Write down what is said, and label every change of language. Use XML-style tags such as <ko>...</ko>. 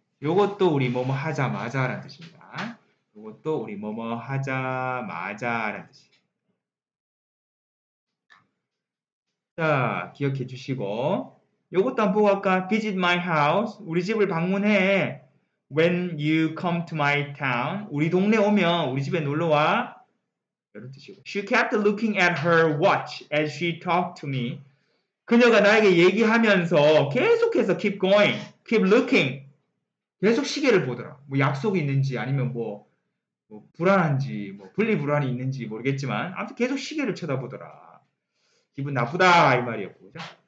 <ko>이것도 우리 뭐뭐 하자마자라는 뜻입니다. 이것도 우리 뭐뭐 하자마자라는 뜻입니다. 자, 기억해 주시고 요것도 한번 보고 할까?</ko> <en>Visit my house.</en> <ko>우리 집을 방문해.</ko> <en>When you come to my town.</en> <ko>우리 동네 오면 우리 집에 놀러와. 이런 뜻이고.</ko> <en>She kept looking at her watch as she talked to me.</en> <ko>그녀가 나에게 얘기하면서 계속해서</ko> <en>keep going. Keep looking.</en> <ko>계속 시계를 보더라. 뭐 약속이 있는지 아니면 뭐 불안한지 뭐 분리불안이 있는지 모르겠지만 아무튼 계속 시계를 쳐다보더라. 기분 나쁘다 이 말이었고, 그죠?</ko>